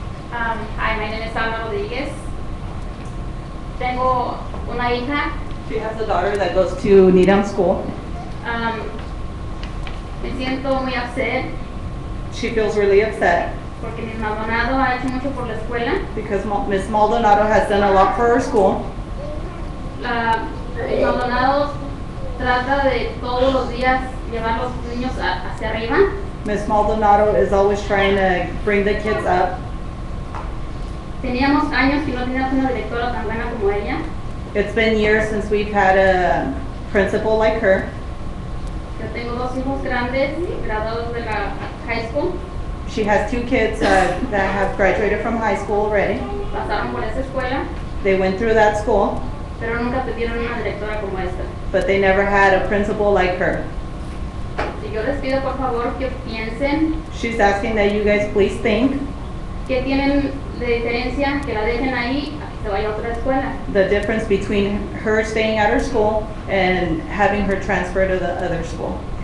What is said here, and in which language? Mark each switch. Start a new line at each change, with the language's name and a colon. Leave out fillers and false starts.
English: Hi, my name is Alma Rodriguez.
Spanish: Tengo una hija.
English: She has a daughter that goes to Needham School.
Spanish: Me siento muy upset.
English: She feels really upset.
Spanish: Porque Ms. Maldonado ha hecho mucho por la escuela.
English: Because Ms. Maldonado has done a lot for our school. Ms.
Spanish: Maldonado trata de todos los días llevar los niños hacia arriba.
English: Ms. Maldonado is always trying to bring the kids up.
Spanish: Teníamos años que no teníamos una directora tan buena como ella.
English: It's been years since we've had a principal like her.
Spanish: Yo tengo dos hijos grandes, graduados de la high school.
English: She has two kids that have graduated from high school already.
Spanish: Pasaron por esa escuela.
English: They went through that school.
Spanish: Pero nunca tuvieron una directora como esta.
English: But they never had a principal like her.
Spanish: Y yo les pido por favor que piensen.
English: She's asking that you guys please think.
Spanish: ¿Qué tienen de diferencia que la dejen ahí?
English: The difference between her staying at her school and having her transfer to the other school.